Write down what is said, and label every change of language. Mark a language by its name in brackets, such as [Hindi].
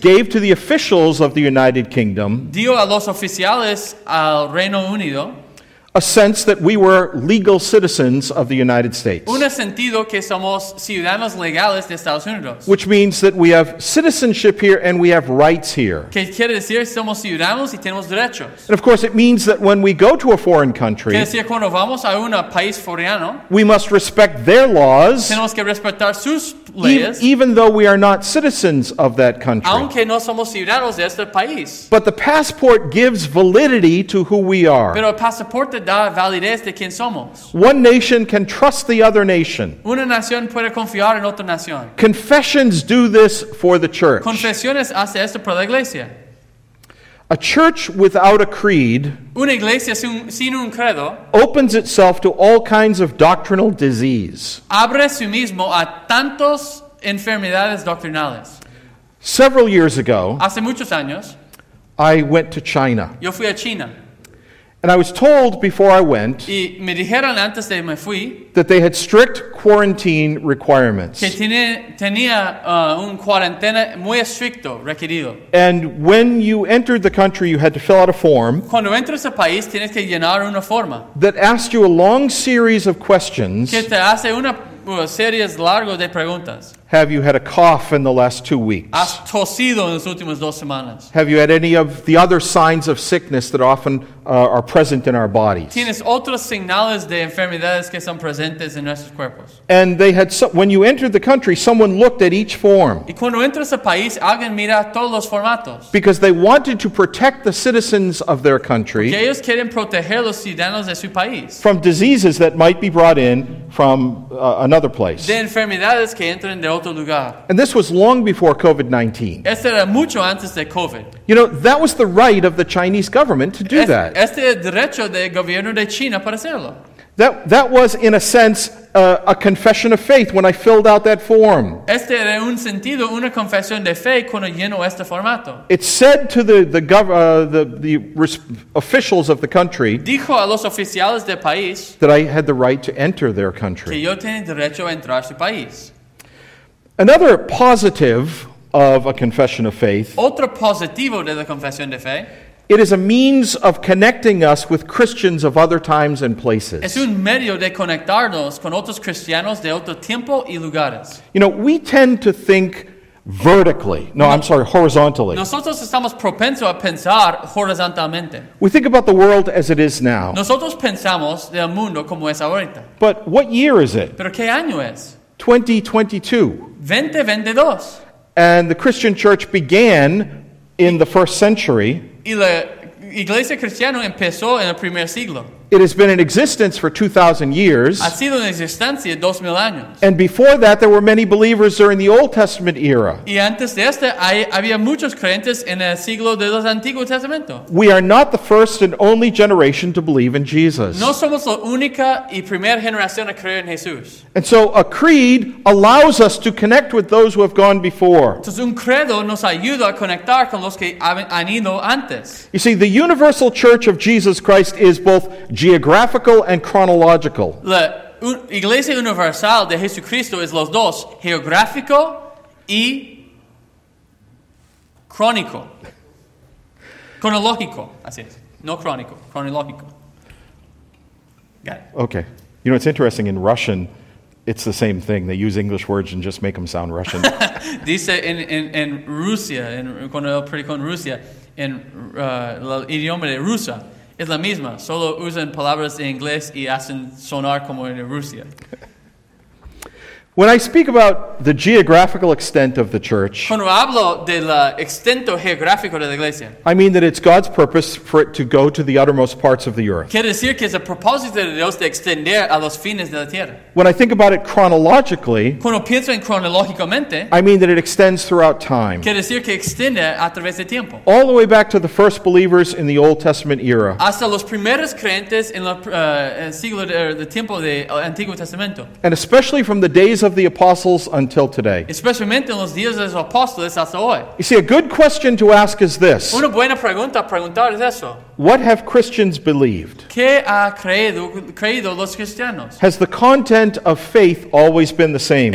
[English] gave to the officials of the United Kingdom, [Spanish] dio a los oficiales al Reino Unido, [English] a sense that we were legal citizens of the United States. [Spanish] Un sentido que somos ciudadanos legales de Estados Unidos. [English] Which means that we have citizenship here and we have rights here. [Spanish] Que quiere decir somos ciudadanos y tenemos derechos. [English] And of course it means that when we go to a foreign country, [Spanish] quiere decir cuando vamos a un país foreano, [English] we must respect their laws. [Spanish] Tenemos que respetar sus leyes. [English] Even though we are not citizens of that country. [Spanish] Aunque no somos ciudadanos de este país. [English] But the passport gives validity to who we are. [Spanish] Pero el pasaporte da validez de quién somos. [English] One nation can trust the other nation. [Spanish] Una nación puede confiar en otra nación. [English] Confessions do this for the church. [Spanish] Confesiones hace esto para la iglesia. [English] A church without a creed, [Spanish] una iglesia sin un credo, [English] opens itself to all kinds of doctrinal disease. [Spanish] Abre a sí mismo a tantos enfermedades doctrinales. [English] Several years ago, [Spanish] hace muchos años, [English] I went to China. [Spanish] Yo fui a China. [English] And I was told before I went, [Spanish] y me dijeron antes de me fui, [English] that they had strict quarantine requirements. [Spanish] Que tenía un cuarentena muy estricto requerido. [English] And when you entered the country, you had to fill out a form. [Spanish] Cuando entras al país, tienes que llenar una forma. [English] That asked you a long series of questions. [Spanish] Que te hace una series largo de preguntas. [English] Have you had a cough in the last 2 weeks? [Spanish] ¿Has tosido en las últimas dos semanas? [English] Have you had any of the other signs of sickness that often are present in our bodies? [Spanish] ¿Tienes otros señales de enfermedades que son presentes en nuestros cuerpos? [English] And they had when you entered the country, someone looked at each form. [Spanish] Y cuando entras al país, alguien mira todos los formatos. [English] Because they wanted to protect the citizens of their country. [Spanish] Porque ellos quieren proteger los ciudadanos de su país. [English] From diseases that might be brought in from another place. [Spanish] De enfermedades que entran de otro lugar. [English] And this was long before COVID-19. [Spanish] Este era mucho antes de COVID. [English] You know, that was the right of the Chinese government to do that. [Spanish] Este era derecho del gobierno de China para hacerlo. [English] That was, in a sense, a confession of faith when I filled out that form. [Spanish] Este era un sentido, una confesión de fe cuando lleno este formato. [English] It said to the officials of the country, [Spanish] dijo a los oficiales del país, [English] that I had the right to enter their country. [Spanish] Que yo tenía derecho a entrar a su país. [English] Another positive of a confession of faith, [Spanish] otro positivo de la confesión de fe, [English] it is a means of connecting us with Christians of other times and places. [Spanish] Es un medio de conectarnos con otros cristianos de otro tiempo y lugares. [English] You know, we tend to think vertically. No, I'm sorry, horizontally. [Spanish] Nosotros estamos propensos a pensar horizontalmente. [English] We think about the world as it is now. [Spanish] Nosotros pensamos del mundo como es ahorita. [English] But what year is it? [Spanish] ¿Pero qué año es? [English] 2022. [Spanish] 2022. [English] And the Christian church began in the first century. [Spanish] Y la iglesia cristiana empezó en el primer siglo. [English] It has been in existence for 2,000 years. [Spanish] Ha sido en existencia 2,000 años. [English] And before that, there were many believers during the Old Testament era. [Spanish] Y antes de este, había muchos creyentes en el siglo de los Antiguos Testamentos. [English] We are not the first and only generation to believe in Jesus. [Spanish] No somos la única y primera generación a creer en Jesús. [English] And so a creed allows us to connect with those who have gone before. [Spanish] Entonces un credo nos ayuda a conectar con los que han ido antes. [English] You see, the universal church of Jesus Christ is both geographical and chronological. [Spanish] La Iglesia Universal de Jesucristo es los dos, geográfico y crónico. Cronológico, así es. No crónico, cronológico. [English] Got it. Okay. You know, it's interesting, in Russian, it's the same thing. They use English words and just make them sound Russian. [Spanish] Dice en Rusia, cuando yo predico en Rusia, en el idioma de Rusia, es la misma, solo usan palabras en inglés y hacen sonar como en Rusia. [English] When I speak about the geographical extent of the church, [Spanish] cuando hablo del extento geográfico de la iglesia, [English] I mean that it's God's purpose for it to go to the uttermost parts of the earth. [Spanish] Quiere decir que es el propósito de Dios de extender a los fines de la tierra. [English] When I think about it chronologically, [Spanish] cuando pienso en cronológicamente, [English] I mean that it extends throughout time. [Spanish] Quiere decir que extiende a través del tiempo. [English] All the way back to the first believers in the Old Testament era. [Spanish] Hasta los primeros creyentes en el siglo de tiempo del Antiguo Testamento. [English] And especially from the days of the apostles until today. [Spanish] Especialmente en los días de los apóstoles hasta hoy. [English] You see, a good question to ask is this. [Spanish] Una buena pregunta a preguntar es eso. [English] What have Christians believed? [Spanish] ¿Qué ha creído los cristianos? [English] Has the content of faith always been the same?